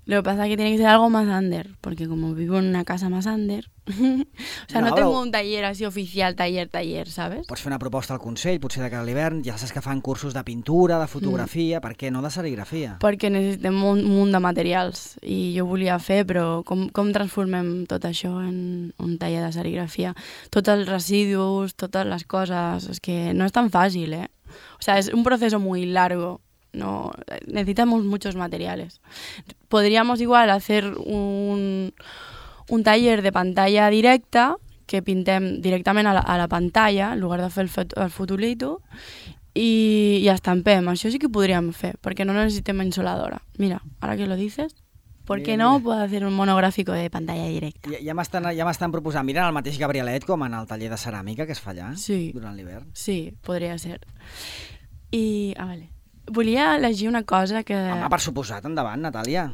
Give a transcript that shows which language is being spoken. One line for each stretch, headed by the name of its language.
Spanish: Lo que pasa es que tiene que ser algo más under, porque como vivo en una casa más under... o sea, no tengo un taller así oficial, taller, ¿sabes?
Catalan: Pots fer una proposta al Consell, potser de cara a l'hivern. Ja saps que fan cursos de pintura, de fotografia... Per què no de serigrafia? Perquè necessitem un munt de materials. I jo volia fer, però com transformem tot això en un taller de serigrafia? Tots els residus, totes les coses... És que no és tan fàcil, eh?
Spanish: O sea, és un proceso muy largo. No, necesitamos muchos materiales. Podríamos igual hacer un taller de pantalla directa, que
Catalan: pintem directament a la pantalla,
Spanish: en lugar de
Catalan: fer el futulito, i estampem. Això sí que podríem fer, perquè no necessitem insoladora.
Spanish: Mira, ara que lo dices, ¿por qué no puedo hacer un monográfico de pantalla directa?
Catalan: Ja m'estan proposant, mira, el mateix Gabrielet, com en el taller de ceràmica que es fa allà, sí, durant l'hivern. Sí, podria ser. I, ah, vale. Volia llegir una cosa que... Home, per suposat, endavant, Natàlia.